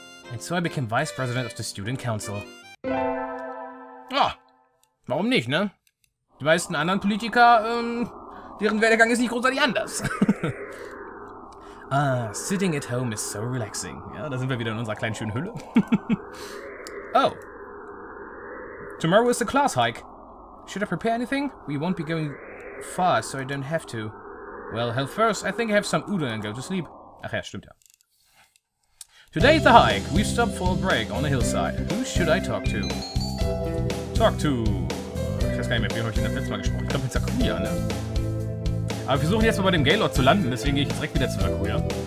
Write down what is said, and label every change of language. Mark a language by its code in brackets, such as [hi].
[en] And so I became Vice President of the Student Council. [de] Ah, warum nicht, ne? Die meisten anderen Politiker, deren Werdegang ist nicht großartig anders. [en] Ah, sitting at home is so relaxing. [de] Ja, da sind wir wieder in unserer kleinen schönen Hülle. Oh. [en] Tomorrow is the class hike. Should I prepare anything? We won't be going far, so I don't have to. Well, health first. I think I have some udon and go to sleep. [de] Ach ja, stimmt ja. [en] Today is the hike. We've stopped for a break on the hillside. Who should I talk to? Talk to... [de] Ich weiß gar nicht mehr, wie ich in das letzte Mal gesprochen. Ich glaube, mit Sakuya, ne? Aber wir versuchen jetzt mal bei dem Gaylord zu landen, deswegen gehe ich direkt wieder zu Sakuya.